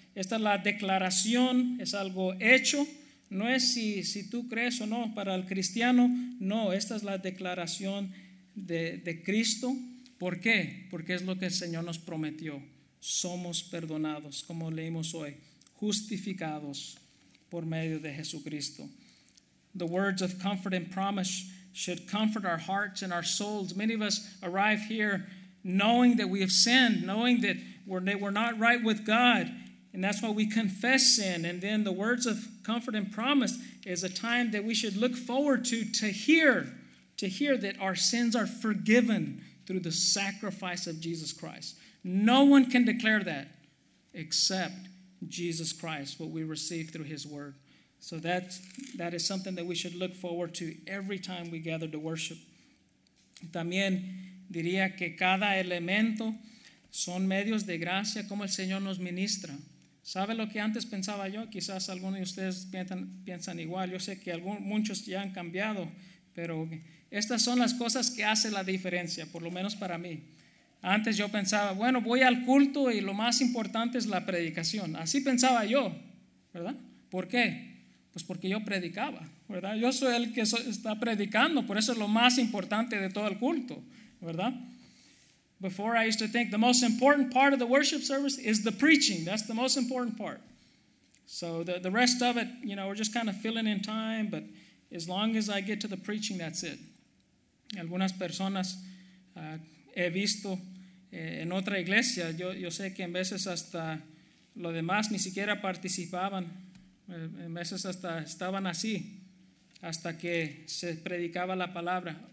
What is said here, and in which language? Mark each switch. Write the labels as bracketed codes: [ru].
[es] Esta es la declaración, es algo hecho. No es si tú crees o no para el cristiano. No, esta es la declaración de Cristo. ¿Por qué? Porque es lo que el Señor nos prometió. Somos perdonados, como leímos hoy. Justificados por medio de Jesucristo. [en] The words of comfort and promise should comfort our hearts and our souls. Many of us arrive here knowing that we have sinned, knowing that we're not right with God. And that's why we confess sin. And then the words of comfort and promise is a time that we should look forward to hear that our sins are forgiven through the sacrifice of Jesus Christ. No one can declare that except Jesus Christ, what we receive through his word. So that is something that we should look forward to every time we gather to worship. [es] También diría que cada elemento son medios de gracia como el Señor nos ministra. ¿Sabe lo que antes pensaba yo? Quizás algunos de ustedes piensan igual. Yo sé que muchos ya han cambiado, pero estas son las cosas que hacen la diferencia, por lo menos para mí. Antes yo pensaba, bueno, voy al culto y lo más importante es la predicación. Así pensaba yo, ¿verdad? ¿Por qué? Pues porque yo predicaba, ¿verdad? Yo soy el que está predicando, por eso es lo más importante de todo el culto, ¿verdad? [en] Before I used to think the most important part of the worship service is the preaching. That's the most important part. So the rest of it, you know, we're just kind of filling in time, but as long as I get to the preaching, that's it. [es] Algunas personas he visto en otra iglesia, yo sé que en veces hasta lo demás ni siquiera participaban, en veces hasta estaban así, hasta que se predicaba la palabra.